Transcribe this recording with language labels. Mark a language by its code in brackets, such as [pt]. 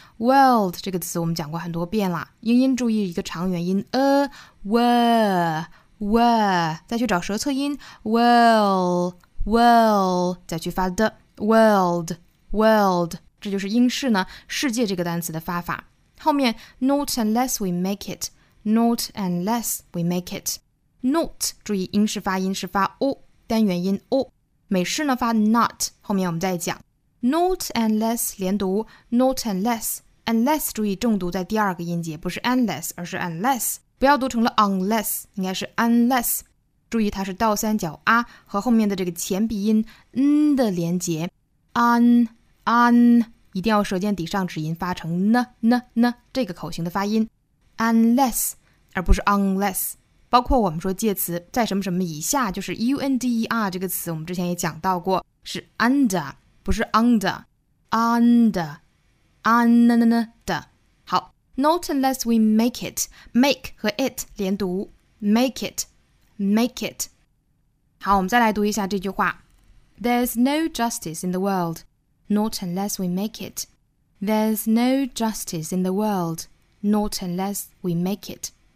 [zh] World 这个词我们讲过很多遍了，英音注意一个长元音 a, were, were, 再去找舌侧音 well, well, 再去发的 world, world. 这就是英式呢世界这个单词的发法。 [en] 后面 not unless we make it, not unless we make it. [zh] Not 注意英式发音是发 o, 单元音 o, 美式呢发 not, 后面我们再讲。 [en] Not unless [zh] 连读 ，not unless unless 注意重读在第二个音节，不是 unless 而是 unless， 不要读成了 unless， 应该是 unless。注意它是倒三角 a 和后面的这个前鼻音 n 的连结 ，un un， 一定要舌尖抵上齿音发成 n n n 这个口型的发音 ，unless 而不是 unless。包括我们说介词在什么什么以下，就是 under 这个词，我们之前也讲到过，是 under。 [en] 不是 under, under, under. 好 ,not unless we make it, make 和 it [zh] 连读 [en] ,make it, make it. [zh] 好我们再来读一下这句话。 [en] There's no justice in the world, not unless we make it. There's no justice in the world, not unless we make it.